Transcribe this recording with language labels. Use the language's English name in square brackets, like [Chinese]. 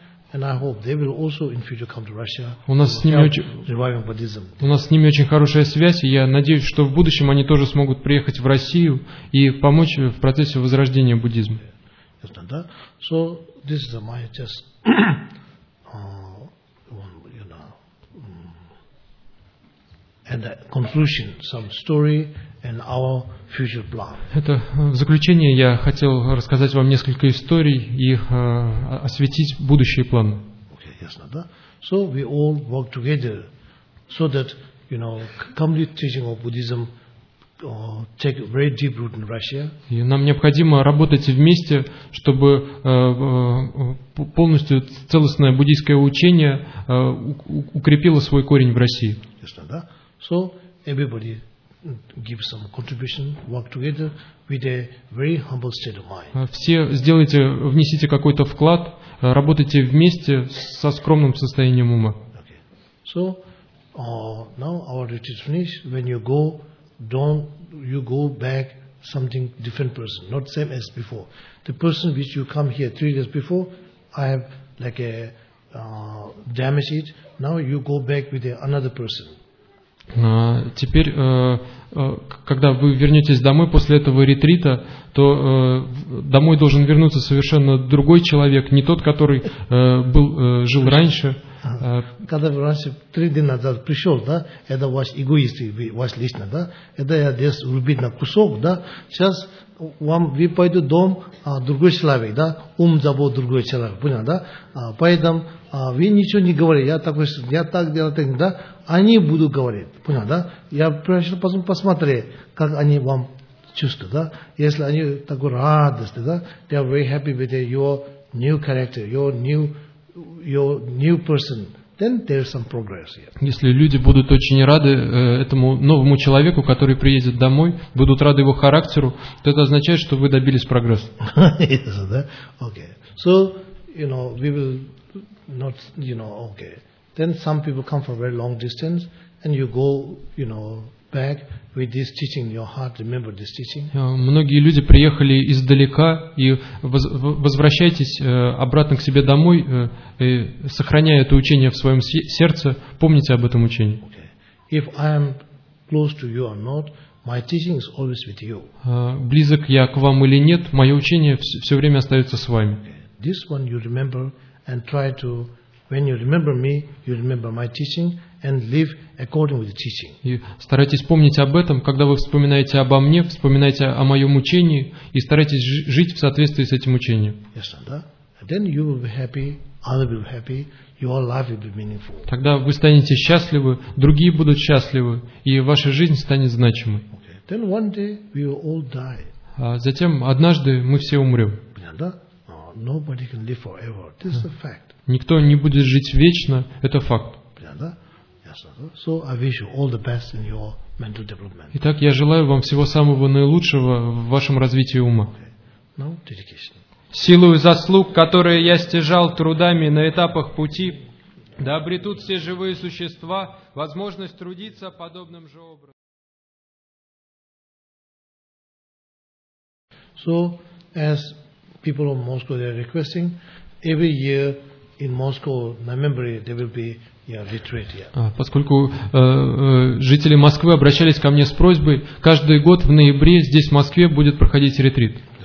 [Russian] У нас с ними очень хорошая связь, и я надеюсь, что в будущем они тоже смогут приехать в Россию и помочь в процессе возрождения буддизма. [English] So this is my just one, you know, and the conclusion, some story and our future plan. [Russian] Это в заключение я хотел рассказать вам несколько историй и осветить будущие планы. Okay, ясно, да? [English] So we all work together so that, you know, complete teaching of Buddhism take very deep root in Russia. [Russian] И нам необходимо работать вместе, чтобы полностью целостное буддийское учение укрепило свой корень в России. Ясно, да? [English] So everybody give some contribution, work together with a very humble state of mind. [Russian] Все сделайте, внесите какой-то вклад, работайте вместе со скромным состоянием ума. [English] Okay. So now our retreat finished. When you go, you go back something different person, not same as before. The person which you come here 3 days before, I have like a damage it. Now you go back with another person. [Russian] Теперь, когда вы вернетесь домой после этого ретрита, то домой должен вернуться совершенно другой человек, не тот, который жил раньше. Когда вы раньше, 3 дня назад пришел, да, это ваш эгоист, ваш лично, да, это я здесь рубить на кусок, да, сейчас вам, вы пойдете в дом, другой человек, да, ум забыл другой человек, понял, да, поэтому вы ничего не говорите, я так делаю, да, они будут говорить, понял, да, я пришел посмотреть, как они вам чувствуют, да, если они такой радостный, да, [English] they are very happy with your new character, your new person, then there is some progress here. [Russian] Если люди будут очень рады этому новому человеку, который приедет домой, будут рады его характеру, то это означает, что вы добились прогресса. [English] Yes, [Russian] да? [English] Okay. So, you know, we will not, you know, okay. Then some people come from very long distance, and you go, you know, back with this teaching in your heart, remember this teaching. [Russian] Многие люди приехали издалека и возвращайтесь обратно к себе домой, сохраняя это учение в своем сердце, помните об этом учении. [English] Okay. If I am close to you or not, my teaching is always with you. [Russian] Близок я к вам или нет, мое учение все время остается с вами. [English] Okay. This one you remember and try to, when you remember me, you remember my teaching. And live according with the teaching. [Russian] И старайтесь помнить об этом, когда вы вспоминаете обо мне, вспоминайте о моем учении и старайтесь жить в соответствии с этим учением. [English] Yes, [Russian] да? [English] Then you will be happy, others will be happy, your life will be meaningful. [Russian] Тогда вы станете счастливы, другие будут счастливы, и ваша жизнь станет значимой. [English] Okay. Then one day we will all die. [Russian] А затем однажды мы все умрем. [English] Yeah, [Russian] да? [English] Nobody can live forever. This is a fact. [Russian] Никто не будет жить вечно, это факт. [English] Yeah, [Russian] да? [English] So I wish you all the best in your mental development. [Russian] Итак, я желаю вам всего самого наилучшего в вашем развитии ума. [English] Now, dedication. [Russian] Силу и заслуг, которые я стяжал трудами на этапах пути, да обретут все живые существа возможность трудиться подобным же образом. [English] So, as people of Moscow they are requesting, every year in Moscow, November, there will be retreat, yeah. [Russian] Поскольку жители Москвы обращались ко мне с просьбой, каждый год в ноябре здесь, в Москве, будет проходить ретрит.